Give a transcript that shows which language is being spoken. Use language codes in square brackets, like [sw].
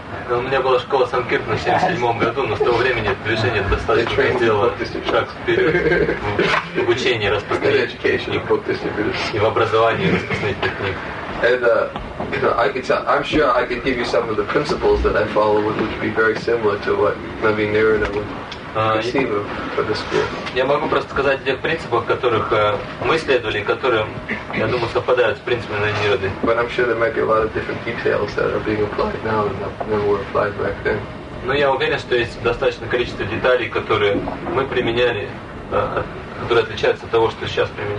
[ru] У меня была школа Санкиртана в 77 году, но с того времени движение достаточно сделало шаг вперед в обучении распространения и в образовании распространения книг. [en] And I'm sure I could give you some of the principles that I follow, which would be very similar to what Navin Nirad would receive for the school. [ru] Я могу просто сказать о принципах, которых мы следовали, которые, я думаю, совпадают с принципами Навин Нирады. [en] But I'm sure there might be a lot of different details that are being applied now and never were applied back then. [ru] Но я уверен, что есть достаточное количество деталей, которые мы применяли. Которые отличаются от того, что сейчас